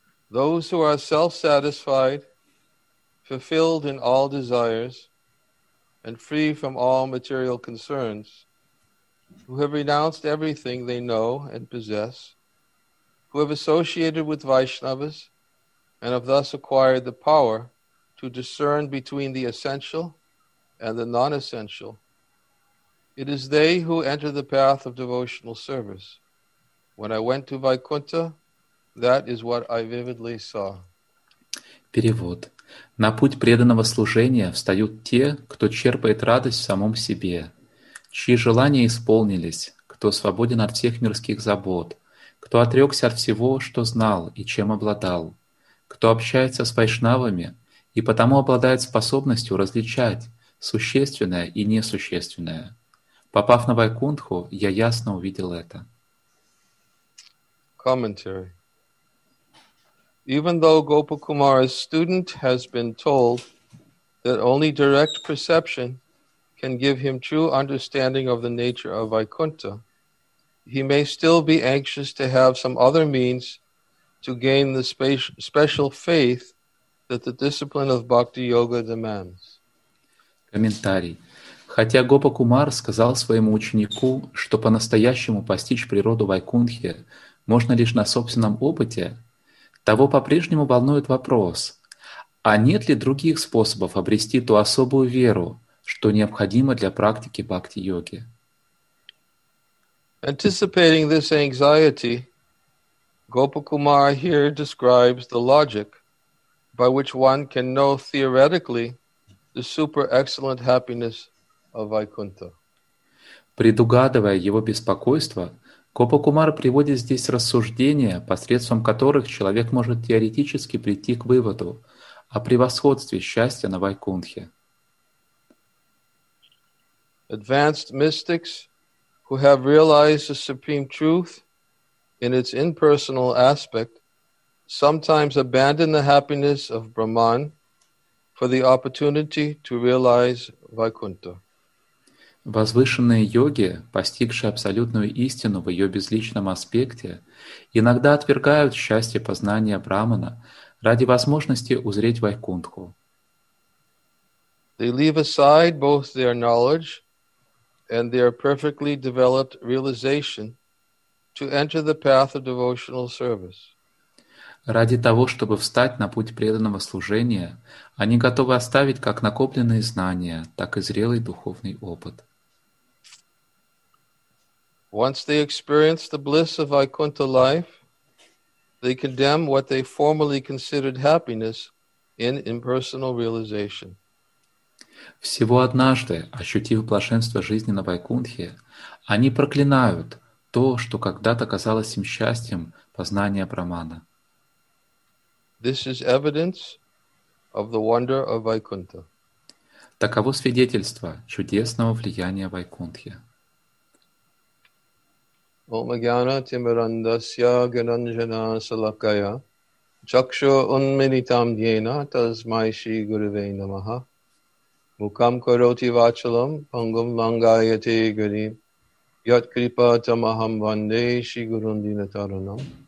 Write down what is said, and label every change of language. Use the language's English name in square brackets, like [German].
[English] Those who are self-satisfied, fulfilled in all desires, and free from all material concerns, who have renounced everything they know and possess, who have associated with Vaishnavas and have thus acquired the power to discern between the essential and the non-essential, it is they who enter the path of devotional service. When I went to Vaikuntha, that is what I vividly saw. [Russian] Перевод. На путь преданного служения встают те, кто черпает радость в самом себе, чьи желания исполнились, кто свободен от всех мирских забот, кто отрекся от всего, что знал и чем обладал, кто общается с вайшнавами и потому обладает способностью различать существенное и несущественное. Попав на Вайкунтху, я ясно увидел это. [English] Commentary. Even though Gopakumara's student has been told that only direct perception can give him true understanding of the nature of Vaikuntha, he may still be anxious to have some other means to gain the special faith that the discipline of Bhakti Yoga demands. [Russian] Комментарий. Хотя Гопакумар сказал своему ученику, что по-настоящему постичь природу Вайкунтхи можно лишь на собственном опыте, того по-прежнему волнует вопрос, а нет ли других способов обрести ту особую веру, что необходимо для практики бхакти-йоги? [English] Anticipating this anxiety, Gopakumar here describes the logic by which one can know theoretically the super excellent happiness of Vaikuntha. [Russian] Предугадывая его беспокойство, Гопакумар приводит здесь рассуждения, посредством которых человек может теоретически прийти к выводу о превосходстве счастья на Вайкунтхе. [English] Advanced mystics who have realized the supreme truth in its impersonal aspect sometimes abandon the happiness of Brahman for the opportunity to realize Vaikuntha. [Russian] Возвышенные йоги, постигшие абсолютную истину в ее безличном аспекте, иногда отвергают счастье познания Брахмана ради возможности узреть Вайкунтху. [English] They leave aside both their knowledge and their perfectly developed realization to enter the path of devotional service. [Russian] Ради того, чтобы встать на путь преданного служения, они готовы оставить как накопленные знания, так и зрелый духовный опыт. [English] Once they experience the bliss of Vaikuntha life, they condemn what they formerly considered happiness in impersonal realization. [Russian] Всего однажды, ощутив блаженство жизни на Вайкунтхе, они проклинают то, что когда-то казалось им счастьем познания Брахмана. [English] This is evidence of the wonder of Vaikuntha. [Russian] Таково свидетельство чудесного влияния Вайкунтхи. [Sanskrit] Ом агьяна тимирандасья гананджана салакая чакшур унмилитам йена тасмай шри гуруве намаха мукам кароти вачалам пангум лангаяте гари ят крипа тамахам ванде шри гурун динатаранам